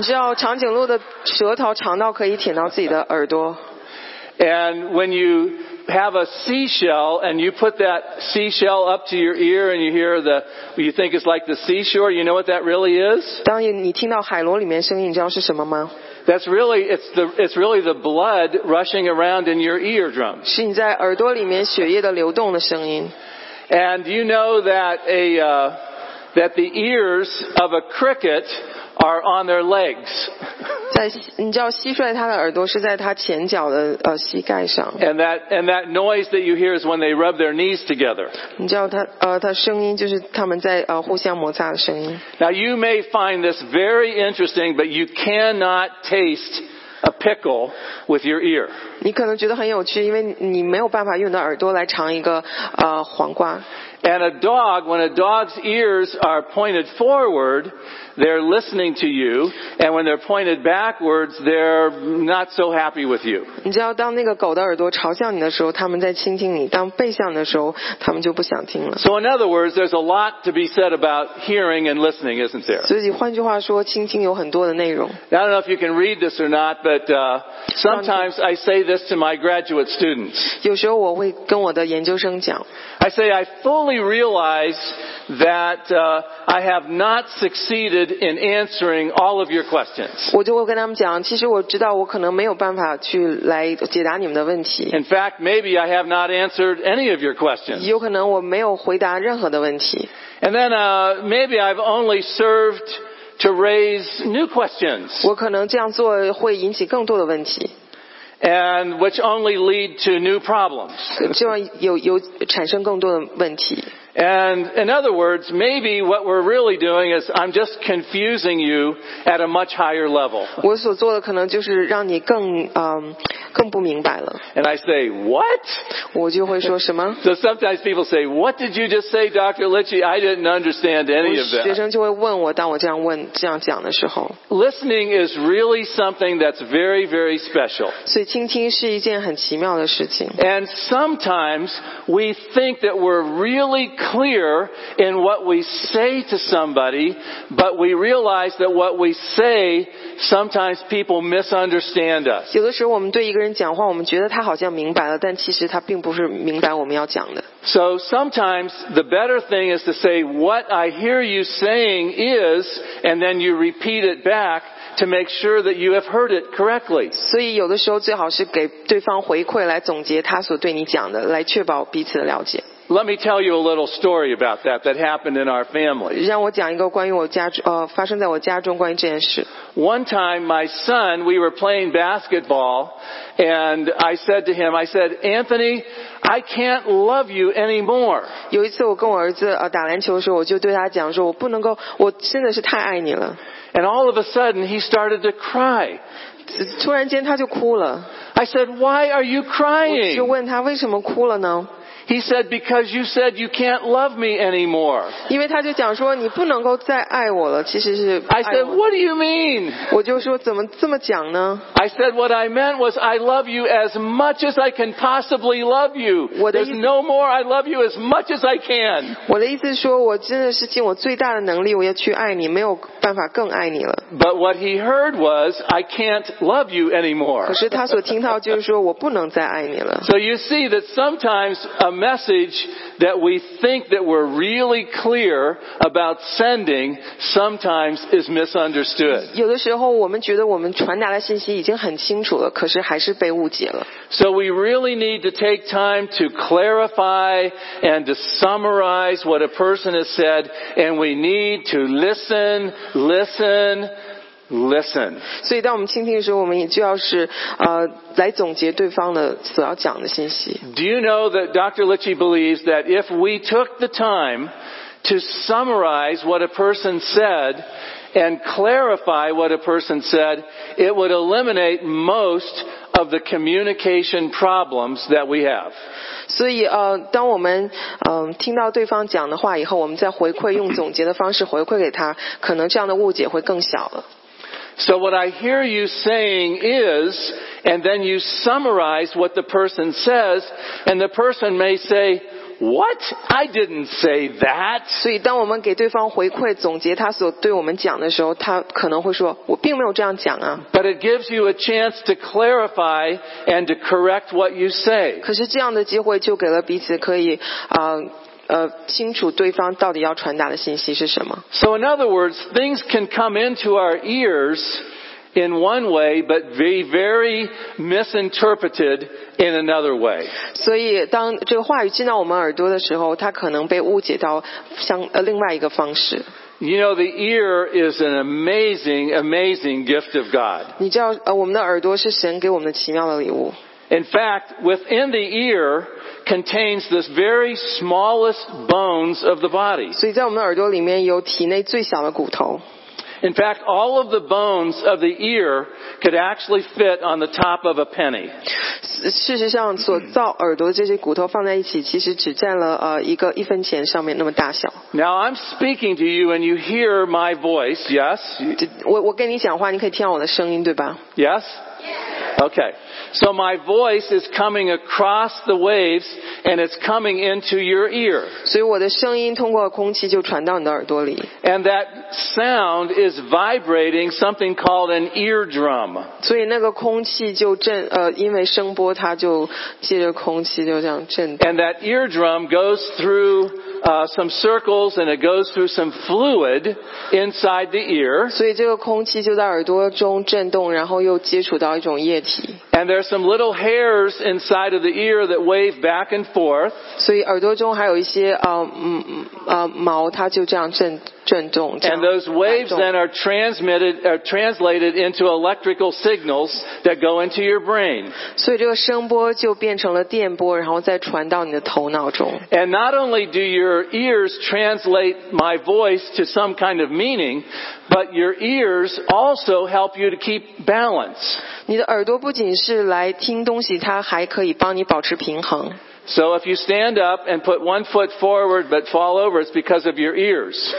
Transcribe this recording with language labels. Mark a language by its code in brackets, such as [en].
[zh] 你知道长颈鹿的舌头长到可以舔到自己的耳朵。 [en] And when you have a seashell and you put that seashell up to your ear and you hear the, you think it's like the seashore, you know what that really is? [zh] 当你听到海螺里面声音，你知道是什么吗？ [en] That's really, it's really the blood rushing around in your eardrum. [zh] 是你在耳朵里面血液的流动的声音。 [en] And you know that that the ears of a cricket are on their legs. [zh] 在你知道蟋蟀它的耳朵是在它前脚的膝盖上。 [en] And that noise that you hear is when they rub their knees together. [zh] 你知道它声音就是他们在互相摩擦的声音。 [en] Now you may find this very interesting, but you cannot taste a pickle with your ear. [zh] 你可能觉得很有趣，因为你没有办法用你的耳朵来尝一个黄瓜。 [en] And a dog, when a dog's ears are pointed forward, they're listening to you, and when they're pointed backwards, they're not so happy with you. [zh] 你知道，当那个狗的耳朵朝向你的时候，他们在倾听你；当背向的时候，他们就不想听了。 [en] So in other words, there's a lot to be said about hearing and listening, isn't there? [zh] 所以换句话说，倾听有很多的内容。 [en] I don't know if you can read this or not, but sometimes I say this to my graduate students. [zh] 有时候我会跟我的研究生讲。 [en] I say I fully realize that I have not succeeded in answering all of your questions. [zh] 我就会跟他们讲，其实我知道我可能没有办法去来解答你们的问题。 [en] In fact, maybe I have not answered any of your questions. [zh] 有可能我没有回答任何的问题。 [en] And then maybe I've only served to raise new questions. [zh] 我可能这样做会引起更多的问题。 [en] And which only lead to new problems. [zh] 就有产生更多的问题。 [en] And in other words, maybe what we're really doing is I'm just confusing you at a much higher level. [zh] 我所做的可能就是让你更不明白了。 [en] And I say, what? [zh] 我就会说什么？ [en] So sometimes people say, what did you just say, Dr. Litchi? I didn't understand any of that. [zh] 学生就会问我，当我这样讲的时候。 [en] Listening is really something that's very, very special. [zh] 所以倾听是一件很奇妙的事情。 [en] And sometimes we think that we're really clear in what we say to somebody, but we realize that what we say, sometimes people misunderstand us. [zh] 有的时候我们对一个人讲话，我们觉得他好像明白了，但其实他并不是明白我们要讲的。 [en] So sometimes the better thing is to say what I hear you saying is, and then you repeat it back to make sure that you have heard it correctly. [zh] 所以有的时候最好是给对方回馈，来总结他所对你讲的，来确保彼此的了解。 [en] Let me tell you a little story about that that happened in our family. [zh] 让我讲一个关于我家发生在我家中关于这件事。 [en] One time, my son, we were playing basketball, and I said to him, I said, Anthony, I can't love you anymore. [zh] 有一次我跟我儿子打篮球的时候，我就对他讲说，我不能够，我真的是太爱你了。 [en] And all of a sudden, he started to cry. [zh] 突然间他就哭了。 [en] I said, Why are you crying? [zh] 我就问他为什么哭了呢？ [en] He said, because you said you can't love me anymore. [zh] 因为他就讲说你不能够再爱我了，其实是爱我。 [en] I said, what do you mean? [zh] 我就说怎么这么讲呢？ [en] I said, what I meant was I love you as much as I can possibly love you. There's no more, I love you as much as I can. [zh] 我的意思是说我真的是尽我最大的能力我要去爱你，没有办法更爱你了。 [en] But what he heard was, I can't love you anymore. [zh] 可是他所听到就是说我不能再爱你了。 [en] So you see that sometimes a message that we think that we're really clear about sending sometimes is misunderstood. [zh] 有的时候我们觉得我们传达的信息已经很清楚了，可是还是被误解了。 [en] So we really need to take time to clarify and to summarize what a person has said, and we need to listen, listen, listen. [zh] 所以当我们倾听的时候，我们也就要是来总结对方的所要讲的信息。 [en] Do you know that Dr. Litchi believes that if we took the time to summarize what a person said and clarify what a person said, it would eliminate most of the communication problems that we have? [zh] 所以当我们听到对方讲的话以后，我们再回馈，用总结的方式回馈给他，可能这样的误解会更小了。 [en] So what I hear you saying is, and then you summarize what the person says, and the person may say, what? I didn't say that. [zh] 所以当我们给对方回馈，总结他所对我们讲的时候，他可能会说，我并没有这样讲啊。 [en] But it gives you a chance to clarify and to correct what you say. [zh] 可是这样的机会就给了彼此可以清楚对方到底要传达的信息是什么。 [en] So in other words, things can come into our ears in one way, but be very misinterpreted in another way. [zh] 所以当这个话语进到我们耳朵的时候，它可能被误解到另外一个方式。 [en] You know, the ear is an amazing, amazing gift of God. [zh] 你知道我们的耳朵是神给我们的奇妙的礼物。 [en] In fact, within the ear contains this very smallest bones of the body. [zh] 所以在我们的耳朵里面有体内最小的骨头。 [en] In fact, all of the bones of the ear could actually fit on the top of a penny. [zh] 事实上，所造耳朵这些骨头放在一起，其实只占了一分钱上面那么大小。 [en] Now I'm speaking to you, and you hear my voice. Yes. [zh] 我跟你讲话，你可以听到我的声音，对吧 [en] ？Yes. Okay. So my voice is coming across the waves, and it's coming into your ear. [zh] 所以我的声音通过空气就传到你的耳朵里。 [en] And that sound is vibrating something called an eardrum. [zh] 所以那个空气就震，因为声波它就借着空气就这样震。 [en] And that eardrum goes through some circles, and it goes through some fluid inside the ear. [zh] 所以这个空气就在耳朵中震动，然后又接触到一种液体。题。 [en] And there are some little hairs inside of the ear that wave back and forth. [zh] 所以耳朵中还有一些毛，它就这样震震动。 [en] And those waves then are translated into electrical signals that go into your brain. [zh] 所以这个声波就变成了电波，然后再传到你的头脑中。 [en] And not only do your ears translate my voice to some kind of meaning, but your ears also help you to keep balance. [zh] 你的耳朵不仅是来听东西，它还可以帮你保持平衡。 [en] So if you stand up and put one foot forward but fall over, it's because of your ears.